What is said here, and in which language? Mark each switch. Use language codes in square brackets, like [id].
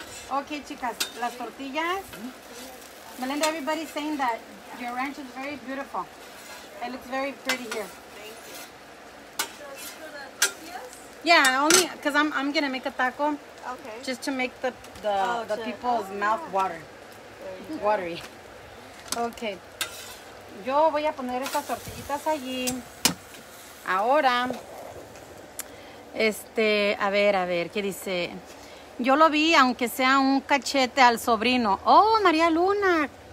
[es] Ok, chicas, las tortillas. Mm-hmm. [en] Melinda, everybody's saying that your ranch is very beautiful. It looks very pretty here. Yeah, only because I'm gonna make a taco. Okay. Just to make the people's mouth water. Watery. Okay. [es] Yo voy a poner estas tortillitas allí. Ahora, a ver, ¿qué dice? Yo lo vi, aunque sea un cachete al sobrino. Oh, María Luna.